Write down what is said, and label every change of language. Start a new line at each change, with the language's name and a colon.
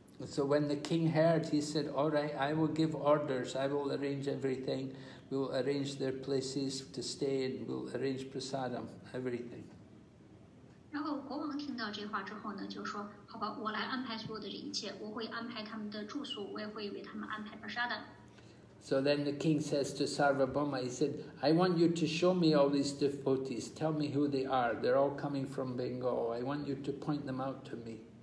English: So when the king heard, he said, "All right, I will give orders. I will arrange everything. We will arrange their places to stay, and we'll arrange prasadam, everything."
Chinese: 然后国王听到这话之后呢，就说：“好吧，我来安排所有的这一切。我会安排他们的住宿，我也会为他们安排prasadam。” So
English: then the king says to Sarvabhauma, he said, "I want you to show me all these devotees. Tell me who they are. They're all coming from Bengal. I want you to point them out to me."